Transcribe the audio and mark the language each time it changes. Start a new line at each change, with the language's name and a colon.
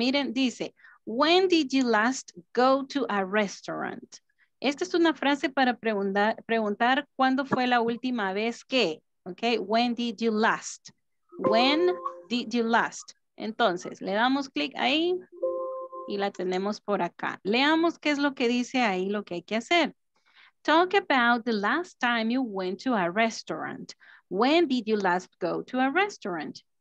Spanish: Miren, dice,
English: "When did you last go to a restaurant?"
Spanish: Esta es una frase para preguntar cuándo fue la última vez que, ¿ok?
English: When did you last? When did you last?
Spanish: Entonces, le damos clic ahí y la tenemos por acá. Leamos qué es lo que dice ahí, lo que hay que hacer.
English: Talk about the last time you went to a restaurant. When did you last go to a restaurant?